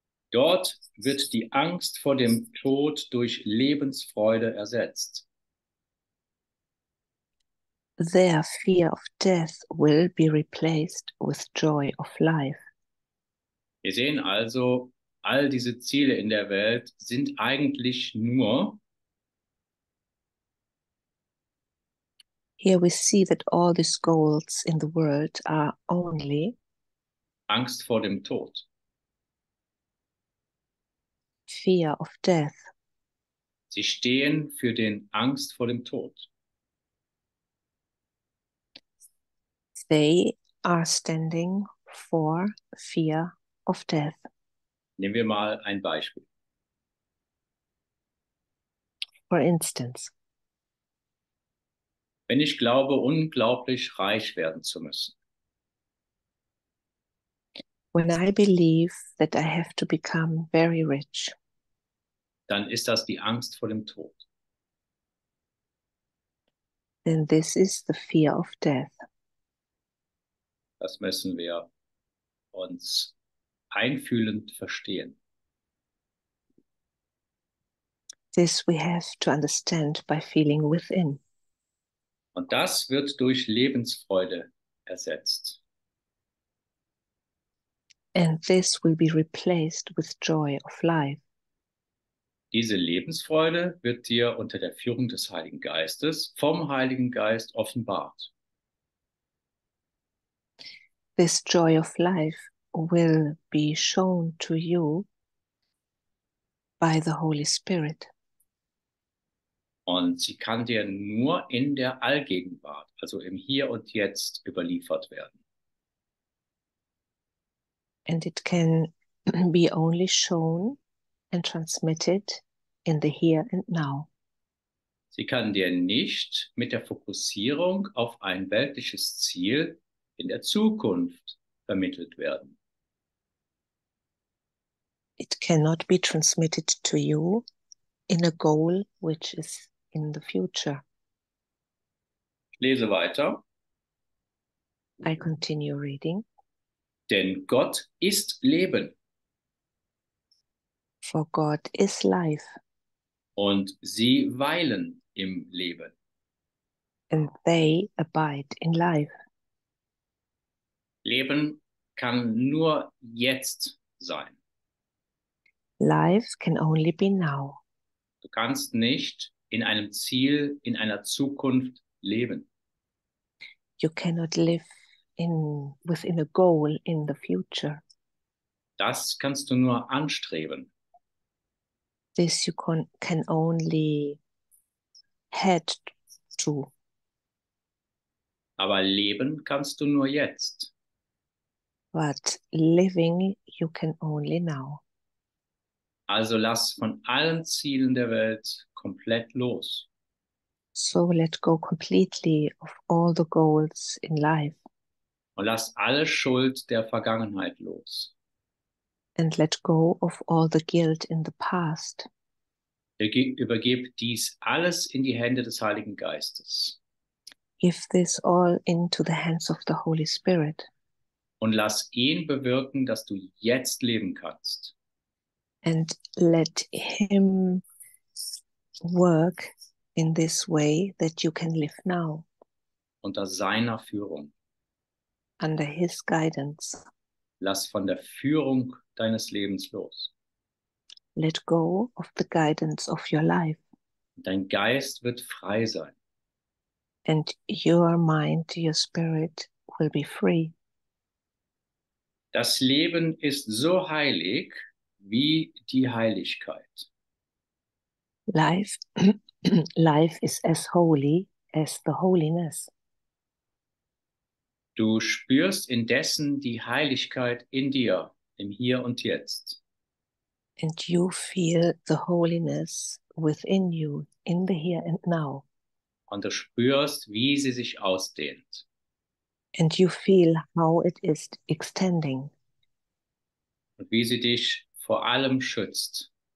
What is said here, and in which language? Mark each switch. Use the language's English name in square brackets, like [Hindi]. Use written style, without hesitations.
[German] Dort wird die Angst vor dem Tod durch Lebensfreude ersetzt. [English] Their fear of death will be replaced with joy of life. [German] Wir sehen also, all diese Ziele in der Welt sind eigentlich nur. [English] Here we see that all these goals in the world are only [German] Angst vor dem Tod. [English] Fear of death. [German] Sie stehen für den Angst vor dem Tod. [English] They are standing for fear of death. [German] Nehmen wir mal ein Beispiel. [English] For instance. [German] Wenn ich glaube, unglaublich reich werden zu müssen. [English] When I believe that I have to become very rich. [German] Dann ist das die Angst vor dem Tod. [English] Then this is the fear of death. [German] Das müssen wir uns einfühlend verstehen. [English] This we have to understand by feeling within. [German] Und das wird durch Lebensfreude ersetzt. [English] And this will be replaced with joy of life. [German] Diese Lebensfreude wird dir unter der Führung des Heiligen Geistes vom Heiligen Geist offenbart. [English] This joy of life will be shown to you by the Holy Spirit. [German] Und sie kann dir nur in der Allgegenwart, also im Hier und Jetzt, überliefert werden. [English] And it can be only shown and transmitted in the here and now. [German] Sie kann dir nicht mit der Fokussierung auf ein weltliches Ziel in der Zukunft vermittelt werden. [English] It cannot be transmitted to you in a goal which is in the future. [German] Ich lese weiter. [English] I continue reading. [German] Denn Gott ist Leben. [English] For God is life. [German] Und sie weilen im Leben. [English] And they abide in life. [German] Leben kann nur jetzt sein. [English] Life can only be now. [German] Du kannst nicht in einem Ziel, in einer Zukunft leben. [English] You cannot live within a goal in the future. [German] Das kannst du nur anstreben. [English] This you can only head to. [German] Aber leben kannst du nur jetzt. [English] But living you can only now. [German] Also lass von allen Zielen der Welt komplett los. [English] So let go completely of all the goals in life. [German] Und lass alle Schuld der Vergangenheit los. [English] And let go of all the guilt in the past. [German] Übergib dies alles in die Hände des Heiligen Geistes. [English] Give this all into the hands of the Holy Spirit. [German] Und lass ihn bewirken, dass du jetzt leben kannst. [English] And let him work in this way that you can live now. [German] Unter seiner Führung. [English] Under his guidance. [German] Lass von der Führung deines Lebens los. [English] Let go of the guidance of your life. [German] Dein Geist wird frei sein. [English] And your mind, your spirit will be free. [German] Das Leben ist so heilig wie die Heiligkeit. [English] Life is as holy as the holiness. [German] Du spürst indessen die Heiligkeit in dir, im Hier und Jetzt. [English] And you feel the holiness within you, in the here and now. [German] Und du spürst, wie sie sich ausdehnt. [English] And you feel how it is extending. [German] Und wie sie dich vor allem schützt.